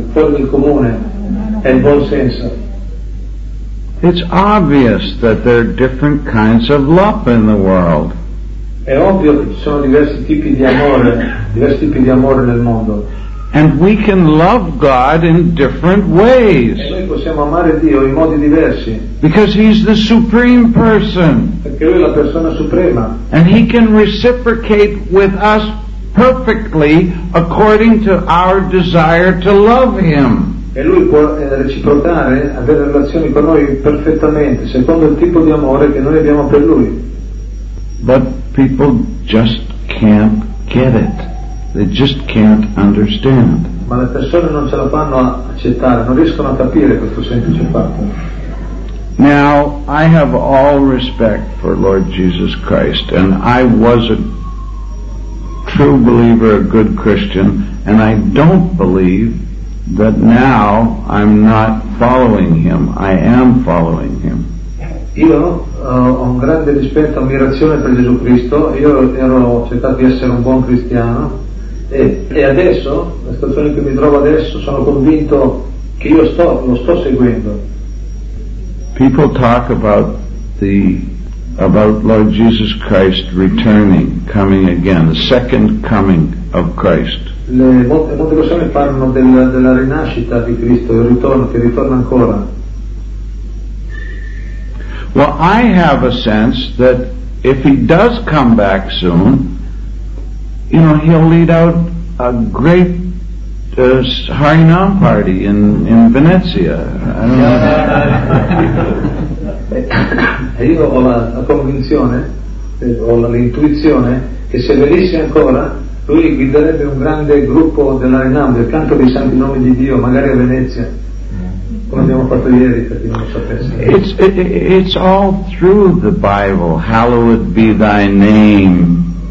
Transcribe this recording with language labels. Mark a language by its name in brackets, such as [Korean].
[Italian] fuori del comune, è il buon senso. [English] It's obvious that there are different kinds of love in the world. [Italian] È ovvio che ci sono diversi tipi di amore nel mondo. [English] And we can love God in different ways. [Italian] E noi possiamo amare Dio in modi diversi. [English] Because He's the supreme person. [Italian] Perché Lui è la persona suprema. [English] And He can reciprocate with us perfectly according to our desire to love Him. [Italian] E Lui può reciprocare, avere relazioni con noi perfettamente, secondo il tipo di amore che noi abbiamo per Lui. [English] But people just can't get it. They just can't understand. [Italian] Ma le persone non ce la fanno a accettare, non riescono a capire questo semplice fatto. [English] Now, I have all respect for Lord Jesus Christ, and I was a true believer, a good Christian, and I don't believe that now I'm not following Him. I am following Him. [Italian] Io ho un grande rispetto e ammirazione per Gesù Cristo. Io ero cercato di essere un buon cristiano e adesso, la situazione in cui mi trovo adesso, sono convinto che io lo sto seguendo. [English] People talk about Lord Jesus Christ returning, coming again, the second coming of Christ. [Italian] Molte persone parlano della rinascita di Cristo, il ritorno, che ritorna ancora. [English] Well, I have a sense that if he does come back soon, you know, he'll lead out a great Harinam party in Venezia. I don't know. [Italian] Io ho la convinzione, ho l'intuizione, che se venisse ancora, lui guiderebbe un grande gruppo della Harinam, del canto dei santi nomi di Dio, magari a Venezia. [English] It's all through the Bible, hallowed be thy name.